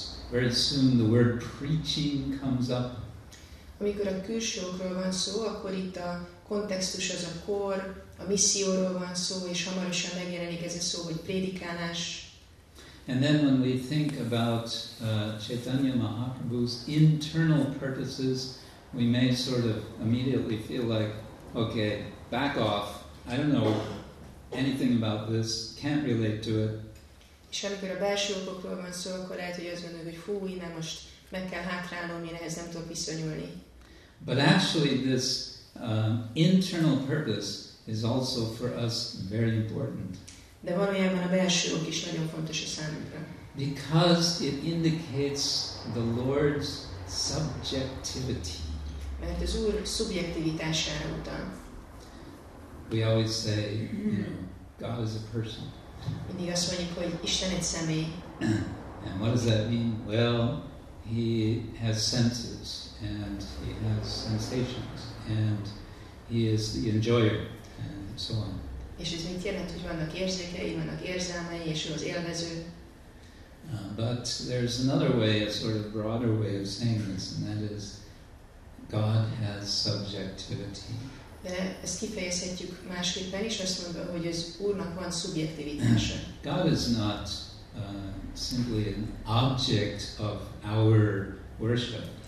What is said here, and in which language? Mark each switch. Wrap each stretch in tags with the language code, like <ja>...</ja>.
<en>Very soon the word preaching comes up.</en> <hu>Amikor a külsőkről van szó, akkor itt a kontextus az a kor, a misszióról van szó, és hamarosan megjelenik ez a szó, hogy prédikálás.</hu> <en>And then when we think about Chaitanya Mahaprabhu's internal purposes, we may sort of immediately feel like, okay, back off, I don't know anything about this, can't relate to it.</en> <hu>És amikor a belső okokról van szó, akkor lehet, hogy azt gondoljuk, hogy hú, innen most meg kell hátrálnom, én ehhez nem tudok viszonyulni.</hu> <en>But actually this internal purpose is also for us very important.</en> <hu>De valójában a belső ok is nagyon fontos a számunkra.</hu> <en>Because it indicates the Lord's subjectivity.</en> <hu>Mert az Úr szubjektivitására utal.</hu> <en>we always say, you know, God is a person.</en> <hu>Mindig azt mondjuk, hogy Isten egy személy.</hu> <en>And what does that mean? Well, he has senses and he has sensations and he is the enjoyer and so on.</en> <hu>És ez mit jelent, hogy vannak érzékei, vannak érzelmei, és ő az élvező.</hu> <en>But there's another way, a sort of broader way of saying this, and that is God has subjectivity.</en> <hu>De ezt kifejezhetjük másképpen is, azt mondva, hogy az Úrnak van szubjektivitása.</hu> <en>God is not simply an object of our worship.</en>